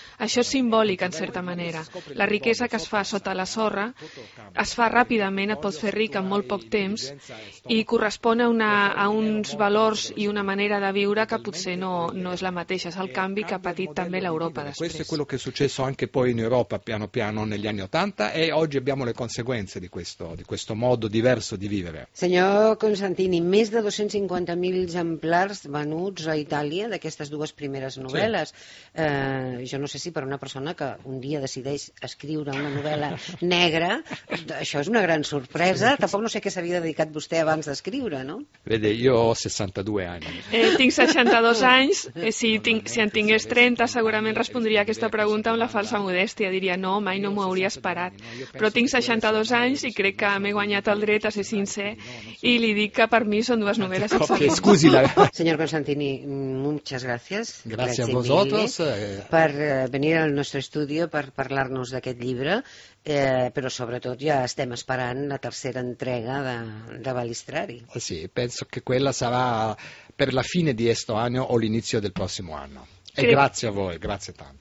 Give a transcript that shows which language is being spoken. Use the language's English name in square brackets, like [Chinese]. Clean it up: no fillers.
[Catalan] Això és simbòlic, en certa manera. La riquesa que es fa sota la sorra es fa ràpidament, et pots fer ric en molt poc temps, i correspon a uns valors i una manera de viure que potser no és la mateixa. És el canvi que ha patit també l'Europa després. [Italian] Anche poi in Europa piano piano negli anni 80 e oggi abbiamo le conseguenze di questo modo diverso di vivere. [Catalan] Signor Constantini, més de 250.000 exemplars venuts a Itàlia d'aquestes dues primeres novel·les. Sí. Jo no sé si per una persona que un dia decideix escriure una novel·la negra, això és una gran sorpresa. Tampoc no sé què s'havia dedicat vostè abans d'escriure, no? [Italian] Vede, [Catalan] jo [Italian] ho 62 anys. [Catalan] Tinc 62 anys, si en tingués 30 segurament respondria a aquesta pregunta amb la família. falsa modèstia, diria no, mai no m'ho hauria esperat. Però tinc 62 anys i crec que m'he guanyat el dret a ser sincer i li dic que per mi són dues novel·les. Senyor [Spanish] Constantini, muchas gracias. Gracias a vosotros. [Catalan] Per venir al nostre estudi per parlar-nos d'aquest llibre, però sobretot ja estem esperant la tercera entrega de Balistrari. [Italian] Sí, penso que quella sarà per la fine di questo anno o l'inizio del prossimo anno. E grazie a voi, grazie tante.